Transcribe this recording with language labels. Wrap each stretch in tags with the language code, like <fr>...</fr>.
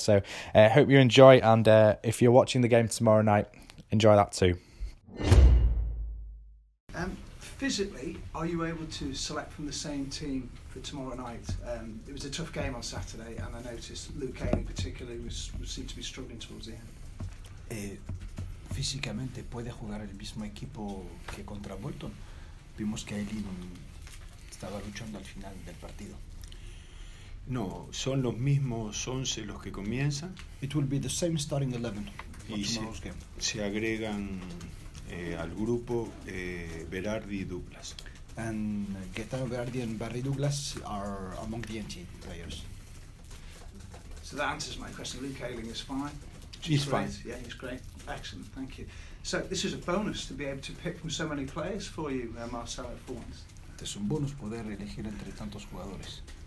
<en>So hope you enjoy, and if you're watching the game tomorrow night, enjoy that too. Physically, are you able to select from the same team for tomorrow night? It was a tough game on Saturday, and I noticed Luke Ayling particularly seemed to be struggling towards the end.</en> <es>Físicamente puede jugar el mismo equipo que contra Bolton. Vimos que Ayling estaba luchando al final del partido. No, son los mismos 11 los que comienzan.</es> <en>It will be the same starting 11 for tomorrow's game.</en> <es>Se agregan al grupo Berardi y Douglas.</es> <en>And Gaetano Berardi and Barry Douglas are among the NT players. So that answers my question. Luke Ayling is fine. He's fine. Yeah, he's great. Excellent, thank you. So this is a bonus to be able to pick from so many players for you, Marcelo, for once.</en> <es>Es un bonus poder elegir entre tantos jugadores.</es>